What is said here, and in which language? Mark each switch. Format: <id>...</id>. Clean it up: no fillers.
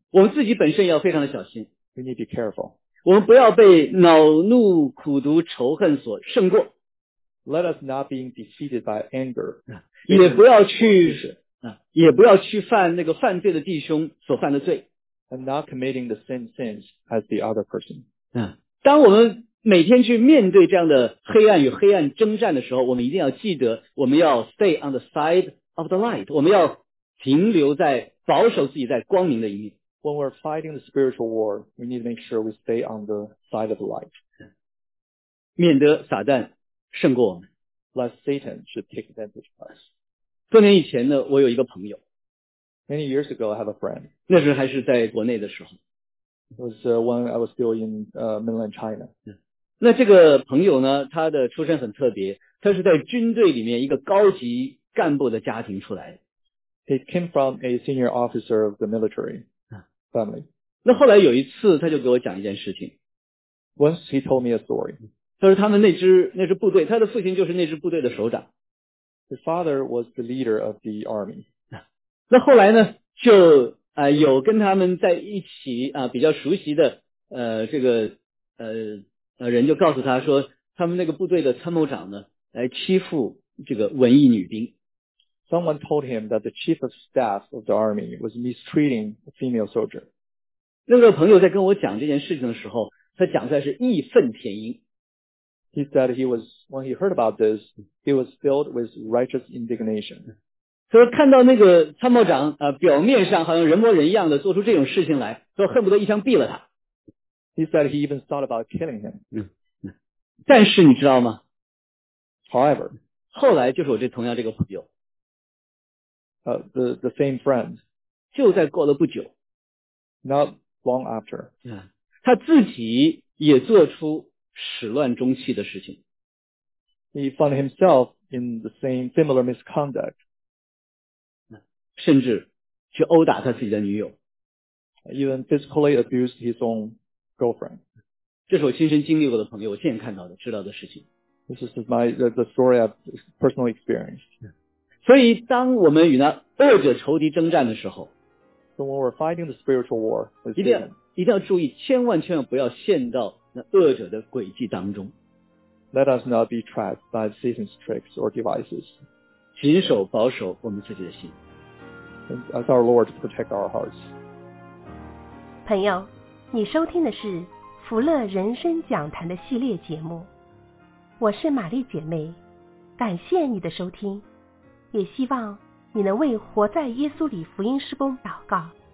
<zh>我们自己本身要非常的小心。</zh> <en>We need to be careful.</en> <zh>我们不要被恼怒、苦毒、仇恨所胜过。</zh> <en>Let us not be defeated by anger.</en> <zh>也不要去犯那个犯罪的弟兄所犯的罪。</zh> <en>And not committing the same sins as the other person.</en> <zh>当我们每天去面对这样的黑暗与黑暗征战的时候，我们一定要记得，我们要</zh> <en>stay on the side of the light.</en> <zh>我们要停留在保守自己在光明的一面。</zh> <en>When we're fighting the spiritual war, we need to make sure we stay on the side of the light.</en> <zh>免得撒旦胜过我们。</zh> <en>Lest Satan should take advantage of us.</en> <zh>多年以前呢，我有一个朋友。</zh> <en>Many years ago, I have a friend.</en> <zh>那时还是在国内的时候。</zh> <en>It was when I was still in mainland China.</en> <zh>那这个朋友呢，他的出身很特别，他是在军队里面一个高级干部的家庭出来的。</zh> <en>He came from a senior officer of the military family.</en> <zh>那后来有一次，他就给我讲一件事情。</zh> <en>Once he told me a story.</en> <zh>他说他们那支部队，他的父亲就是那支部队的首长。</zh> <en>His father was the leader of the army.</en> <zh>那后来呢，就有跟他们在一起比较熟悉的人就告诉他说，他们那个部队的参谋长呢，来欺负这个文艺女兵。</zh> <en>Someone told him that the chief of staff of the army was mistreating a female soldier.</en> <zh>那个朋友在跟我讲这件事情的时候，他讲出来是义愤填膺。</zh> <en>He said he was, when he heard about this, he was filled with righteous indignation.</en> <zh>所以看到那个参谋长表面上好像人模人样的做出这种事情来，说恨不得一枪毙了他。</zh> <en>He said he even thought about killing him.</en> <zh>但是你知道吗？</zh> <en>However,</en> <zh>后来就是我这同样这个朋友。</zh> <en>The same friend.</en> <zh>就在过了不久。</zh> <en>Not long after.</en> <zh>他自己也做出始乱终弃的事情。</zh> <en>He found himself in the same similar misconduct.</en> <zh>甚至去殴打他自己的女友。</zh> <en>Even physically abused his own girlfriend.</en> <zh>这是我亲身经历过的朋友，我亲眼看到的，知道的事情。</zh> <en>This is the story I've personally experienced.</en> <zh>所以当我们与那恶者仇敌征战的时候。</zh> <en>So when we're fighting the spiritual war,</en> <zh>一定要注意，千万千万不要陷到那恶者的诡计当中。</zh> <en>Let us not be trapped by Satan's tricks or devices.</en> <zh>谨守保守我们自己的心。</zh> <en>As our Lord protect our hearts.</en> <zh>朋友，你收听的是福乐人生讲坛的系列节目。我是玛丽姐妹，感谢你的收听，也希望你能为活在耶稣里福音事工祷告。</zh>